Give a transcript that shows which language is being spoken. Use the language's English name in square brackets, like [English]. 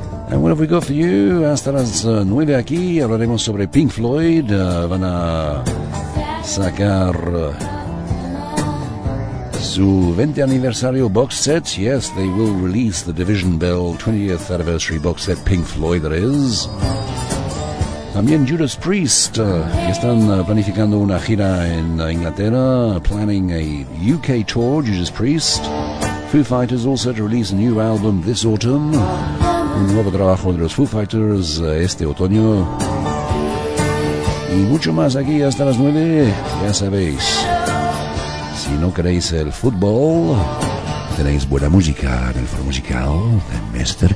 [English] And what have we got for you? [Spanish] Hasta las 9 aquí, hablaremos sobre Pink Floyd. Van a sacar su 20 aniversario box set. [English] Yes, they will release the Division Bell 20th anniversary box set, Pink Floyd, that is. [Spanish] También Judas Priest, están planificando una gira en Inglaterra, [English] planning a UK tour, [Spanish] Judas Priest. [English] Foo Fighters also to release a new album this autumn. [Spanish] Un nuevo trabajo de los Foo Fighters este otoño. Y mucho más aquí hasta las 9, ya sabéis. Si no queréis el fútbol, tenéis buena música en el foro musical de Mr.